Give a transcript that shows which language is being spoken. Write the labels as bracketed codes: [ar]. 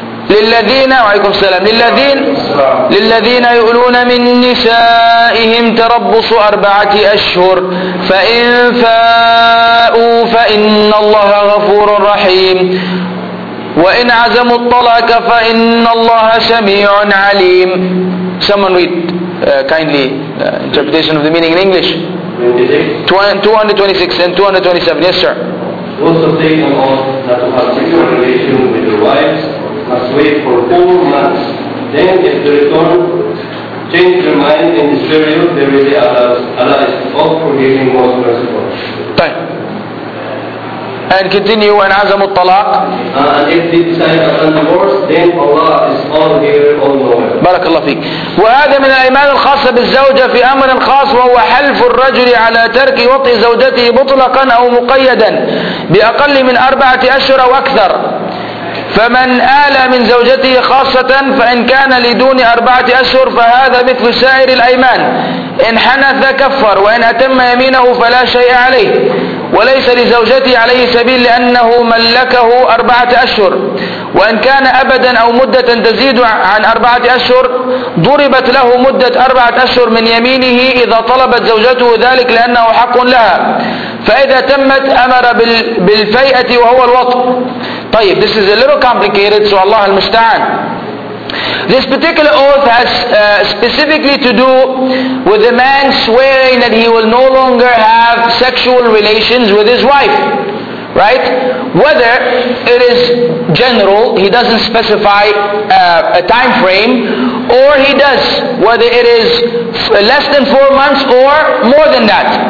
[ar] للذين وعليكم السلام للذين يؤلون من نسائهم تربص أربعة أشهر فإن فاءوا فإن الله غفور رحيم وإن عزموا الطلاق فإن الله سميع عليم. [en] Someone read kindly interpretation of the meaning in English. 226 and 227. Yes sir. Those who take an oath that to have sexual relation with their wives must wait for 4 months. Then if they return, change their mind in this period, they really Allah is all forgiving, most merciful. Time. And continue, and [ar] azamu talaq. [en] And if they decide upon divorce, then Allah is all here, all knowing. [ar] Barakallah feek. وهذا من الايمان الخاصه بالزوجه في امر خاص, وهو حلف الرجل على ترك وطء زوجته مطلقا او مقيدا باقل من 4 أشهر او اكثر. فمن آل من زوجته خاصه فان كان لدون 4 أشهر فهذا مثل سائر الايمان, ان حنث كفر وان اتم يمينه فلا شيء عليه, وليس لزوجتي عليه سبيل لأنه ملكه 4 أشهر. وإن كان أبدا أو مدة تزيد عن 4 أشهر ضربت له مدة 4 أشهر من يمينه إذا طلبت زوجته ذلك لأنه حق لها, فإذا تمت أمر بالفيئة وهو الوطء. [en] طيب, this is a little complicated, so Allah المستعان. This particular oath has specifically to do with the man swearing that he will no longer have sexual relations with his wife, right? Whether it is general, he doesn't specify a time frame, or he does, whether it is less than 4 months or more than that.